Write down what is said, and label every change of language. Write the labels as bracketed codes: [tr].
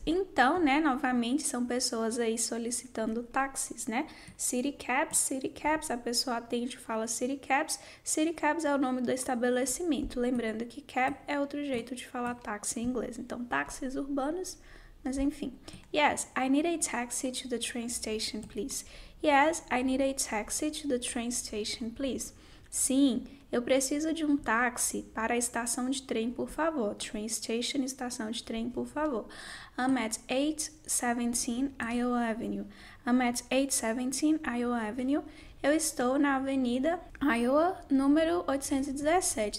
[pt] Então, né, novamente são pessoas aí solicitando táxis, né? City cabs, a pessoa atende e fala city cabs é o nome do estabelecimento. Lembrando que cab é outro jeito de falar táxi em inglês. Então, táxis urbanos. Mas enfim. [en] Yes, I need a taxi to the train station, please. Yes, I need a taxi to the train station, please. [pt] Sim, eu preciso de um táxi para a estação de trem, por favor. [en] Train station, [pt] estação de trem, por favor. [en] I'm at 817 Iowa Avenue. I'm at 817 Iowa Avenue. [pt] Eu estou na avenida Iowa, número 817.